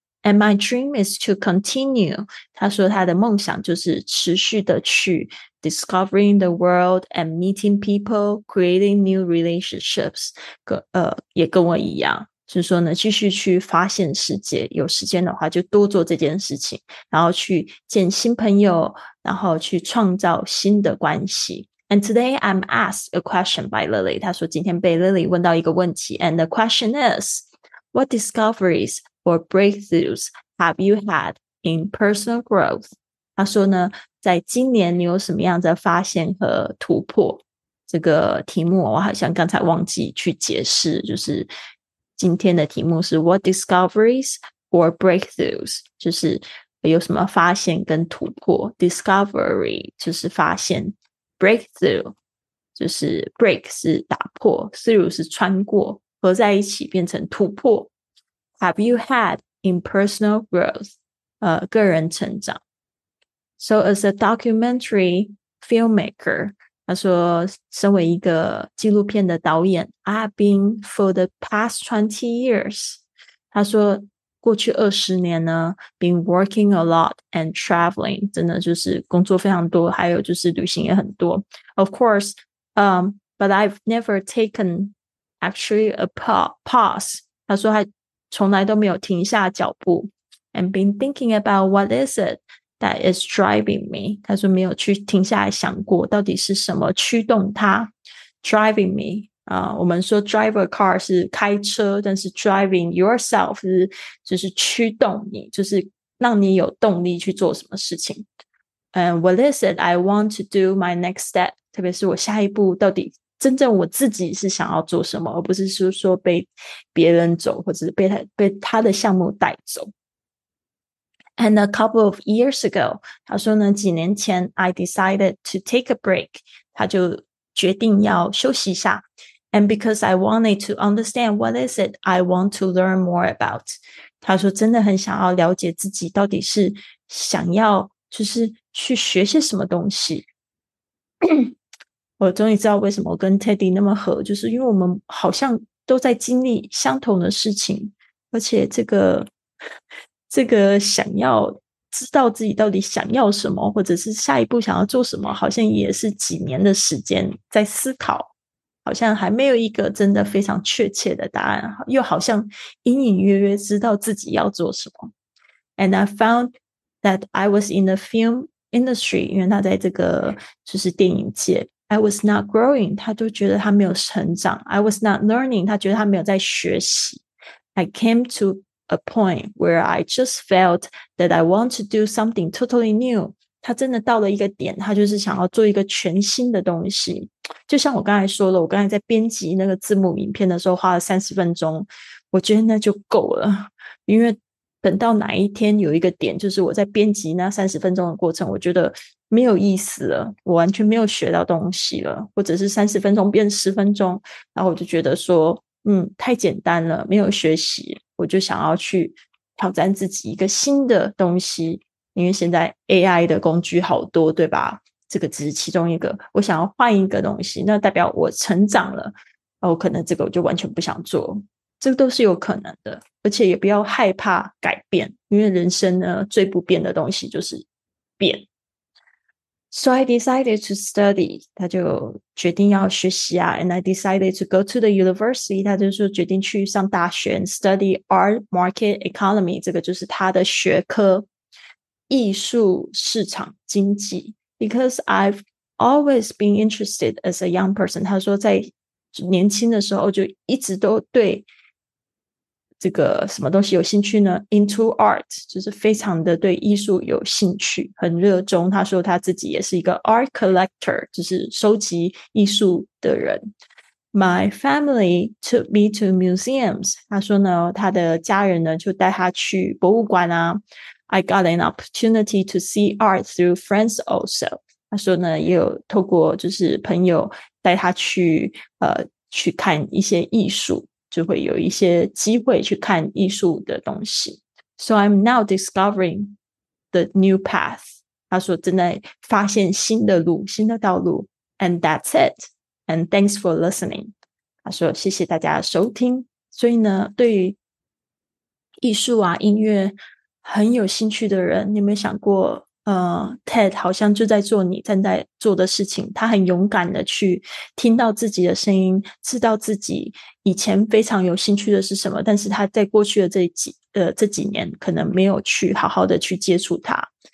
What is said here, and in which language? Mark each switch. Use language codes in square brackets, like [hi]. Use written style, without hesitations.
[en] And my dream is to continue， [zh] 他说他的梦想就是持续的去 [en] discovering the world and meeting people, creating new relationships， [zh] 也跟我一样，就是说呢继续去发现世界，有时间的话就多做这件事情，然后去见新朋友，然后去创造新的关系。 [en] And today I'm asked a question by Lily， [zh] 他说今天被 Lily 问到一个问题。 [en] And the question is， What discoveries or breakthroughs have you had in personal growth？ [zh] 他说呢在今年你有什么样的发现和突破。这个题目我好像刚才忘记去解释，就是今天的题目是 [en] What discoveries or breakthroughs， [zh] 就是有什么发现跟突破。 Discovery 就是发现， Breakthrough 就是 break 是打破， through 是穿过，合在一起变成突破。 [en] Have you had in personal growth， [zh] 个人成长。 [en] So as a documentary filmmaker， [zh] 他说身为一个纪录片的导演， [en] I've been for the past 20 years， [zh] 他说过去二十年呢 [en] been working a lot and traveling， [zh] 真的就是工作非常多，还有就是旅行也很多。 [en] Of course， but I've never taken actually a pause， [zh] 他说他从来都没有停下脚步。 [en] And been thinking about what is itThat is driving me， [zh] 他说没有去停下来想过到底是什么驱动他。 Driving me， 我们说 [en] drive a car [zh] 是开车，但是 [en] driving yourself [zh] 是就是驱动你，就是让你有动力去做什么事情。 [en] And what is it I want to do my next step， [zh] 特别是我下一步到底真正我自己是想要做什么，而不是说被别人走，或者是被他的项目带走。 [en] And a couple of years ago， [zh] 他说呢几年前 [en] I decided to take a break， [zh] 他就决定要休息一下。 [en] And because I wanted to understand what is it I want to learn more about， [zh] 他说真的很想要了解自己到底是想要就是去学些什么东西。我终于知道为什么跟 Teddy 那么合，就是因为我们好像都在经历相同的事情，而且这个想要知道自己到底想要什么，或者是下一步想要做什么，好像也是几年的时间在思考，好像还没有一个真的非常确切的答案，又好像隐隐约约知道自己要做什么。 [en] And I found that I was in the film industry， [zh] 因为他在这个就是电影界， [en] I was not growing, [zh] 他都觉得他没有成长。 [en] I was not learning, [zh] 他觉得他没有在学习。 [en] I came to a point where I just felt that I want to do something totally new. [zh] 他真的到了一个点，他就是想要做一个全新的东西。就像我刚才说了，我刚才在编辑那个字幕影片的时候花了30分钟，我觉得那就够了。因为等到哪一天有一个点，就是我在编辑那30分钟的过程，我觉得没有意思了，我完全没有学到东西了，或者是30分钟变10分钟，然后我就觉得说，太简单了，没有学习，我就想要去挑战自己一个新的东西。因为现在 AI 的工具好多，对吧？这个只是其中一个，我想要换一个东西，那代表我成长了，然后可能这个我就完全不想做，这都是有可能的。而且也不要害怕改变，因为人生呢最不变的东西就是变。 [en] So I decided to study, [zh] 他就决定要学习啊。 [en] And I decided to go to the university, [zh] 他就说决定去上大学 [en] and study art, market, economy, [zh] 这个就是他的学科，艺术市场经济。 [en] Because I've always been interested as a young person, [zh] 他说在年轻的时候就一直都对这个什么东西有兴趣呢？ [en] Into art, [zh] 就是非常的对艺术有兴趣，很热衷。他说他自己也是一个 art collector, 就是收集艺术的人。 [en] My family took me to museums, [zh] 他说呢他的家人呢就带他去博物馆啊。 [en] I got an opportunity to see art through friends also, [zh] 他说呢也有透过就是朋友带他去去看一些艺术，就会有一些机会去看艺术的东西。 [en] So I'm now discovering the new path, [zh] 他说正在发现新的路，新的道路。 [en] And that's it, and thanks for listening, [zh] 他说谢谢大家收听。所以呢对于艺术啊音乐很有兴趣的人，你有没有想过Ted 好像就在做你正在做的事情，他很勇敢的去听到自己的声音，知道自己以前非常有兴趣的是什么，但是他在过去的这几年可能没有去好好的去接触他。